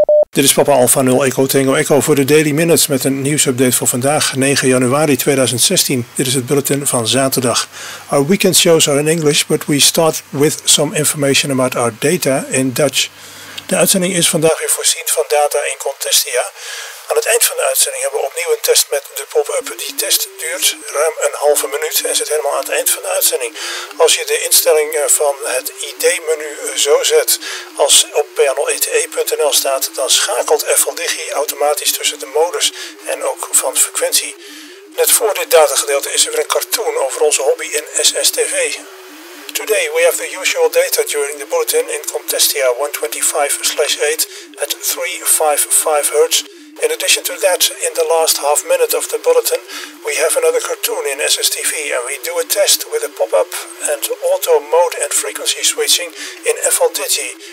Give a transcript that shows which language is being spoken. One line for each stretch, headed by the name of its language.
Dutch: Dit is Papa Alpha 0 Echo Tango Echo voor de Daily Minutes met een nieuwsupdate voor vandaag, 9 januari 2016. Dit is het bulletin van zaterdag.
English: Our weekend shows are in English, but we start with some information about our data in Dutch.
Dutch: De uitzending is vandaag weer voorzien van data in Contestia. Aan het eind van de uitzending hebben we opnieuw een test met de pop-up. Die test duurt ruim een halve minuut en zit helemaal aan het eind van de uitzending. Als je de instelling van het ID-menu zo zet als op panelete.nl staat, dan schakelt FL Digi automatisch tussen de modus en ook van frequentie. Net voor dit datagedeelte is er weer een cartoon over onze hobby in SSTV.
English: Today we have the usual data during the bulletin in Contestia 125/8 at 355 Hz. In addition to that, in the last half minute of the bulletin, we have another cartoon in SSTV and we do a test with a pop-up and auto mode and frequency switching in FL Digi.